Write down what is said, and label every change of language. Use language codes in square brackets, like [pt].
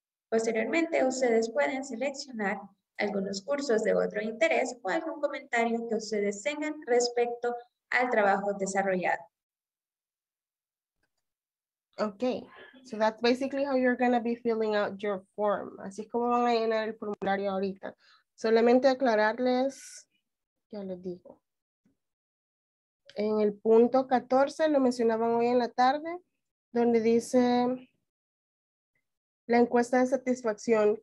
[es] Posteriormente, ustedes pueden seleccionar algunos cursos de otro interés o algún comentario que ustedes tengan respecto al trabajo desarrollado. [en] Ok, so that's basically how you're going to be filling out your form. [es] Así es como van a llenar el formulario ahorita. Solamente aclararles, ya les digo. en el punto 14, lo mencionaban hoy en la tarde, donde dice la encuesta de satisfacción.